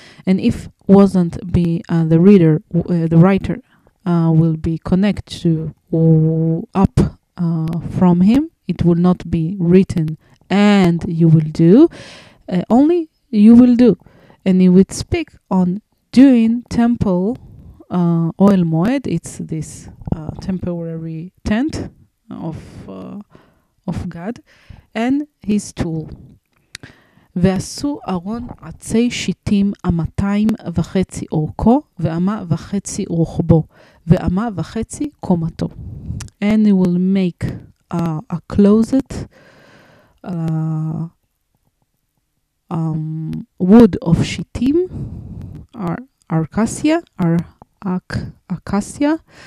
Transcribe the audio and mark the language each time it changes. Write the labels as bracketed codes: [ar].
[en] And if wasn't be the reader, the writer will be connect to up from him, it will not be written and you will do, only you will do. And he would speak on doing temple oil moed, it's this temporary tent of God, and his tool. [he] ועשו ארון עצי שיטים המתיים וחצי אורכו, ואמה וחצי רוחבו, ואמה וחצי קומתו. [en] And he will make a closet, wood of שיטים, arcasia, acacia,